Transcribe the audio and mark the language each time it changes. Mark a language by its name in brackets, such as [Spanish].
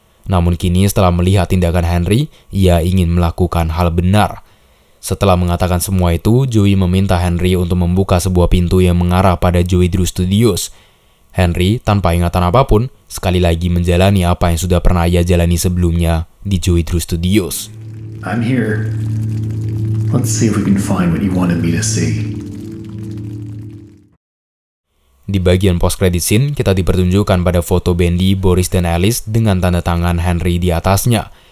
[Indonesian] Namun kini setelah melihat tindakan Henry, ia ingin melakukan hal benar. Setelah mengatakan semua itu, Joey meminta Henry untuk membuka sebuah pintu yang mengarah pada Joey Drew Studios. Henry, tanpa ingatan apapun, sekali lagi menjalani apa yang sudah pernah ia jalani sebelumnya di Joey Drew Studios. [English] I'm here. Let's see if we can find what you wanted me to see. [Indonesian] Di bagian post-credit scene, kita dipertunjukkan pada foto Bendy, Boris, dan Alice dengan tanda tangan Henry di atasnya.